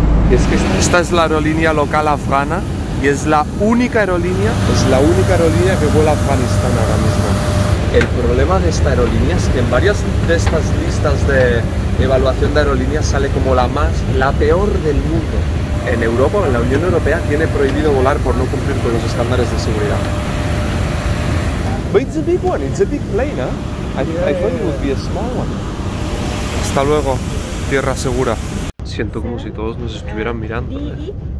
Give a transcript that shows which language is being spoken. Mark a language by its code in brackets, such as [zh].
[es] Y es que esta es la aerolínea local afgana y es la única aerolínea que vuela a Afganistán ahora mismo. El problema de esta aerolínea es que en varias de estas listas de evaluación de aerolíneas sale como la peor del mundo. En Europa, en la Unión Europea, tiene prohibido volar por no cumplir con los estándares de seguridad. [en] But it's a big one, it's a big plane, ¿eh? I thought it would be a small one. [es] Hasta luego, tierra segura. Siento como si todos nos estuvieran mirando, ¿eh?